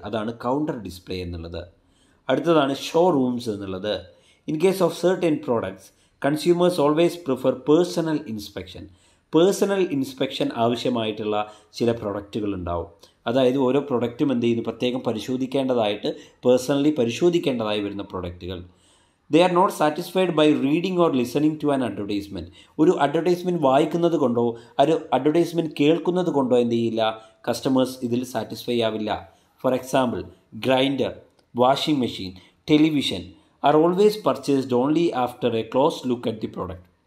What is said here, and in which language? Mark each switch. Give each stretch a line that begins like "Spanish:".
Malayalam: അതാണ് counter display എന്നുള്ളത്. അടുത്തതാണ് ഷോറൂംസ് എന്നുള്ളത്.
English: In case of certain products consumers always prefer personal inspection.
Malayalam: Personal inspection ആവശ്യമായിട്ടുള്ള ചില പ്രൊഡക്റ്റുകൾ ഉണ്ടാവും. അതായത് ഓരോ പ്രൊഡക്റ്റും എന്ത് ചെയ്യുന്നു, പ്രത്യേകം പരിശോധിക്കേണ്ടതായിട്ട്, പേഴ്സണലി പരിശോധിക്കേണ്ടതായി വരുന്ന പ്രൊഡക്റ്റുകൾ.
English: They are not satisfied by reading or listening to an advertisement.
Malayalam: ഒരു അഡ്വർടൈസ്മെൻറ്റ് വായിക്കുന്നത് കൊണ്ടോ, ഒരു അഡ്വർടൈസ്മെൻറ്റ് കേൾക്കുന്നത് കൊണ്ടോ എന്ത് ചെയ്യില്ല, കസ്റ്റമേഴ്സ് ഇതിൽ സാറ്റിസ്ഫൈ ആവില്ല.
English: For example, grinder, washing machine, television are always purchased only after a close look at the product.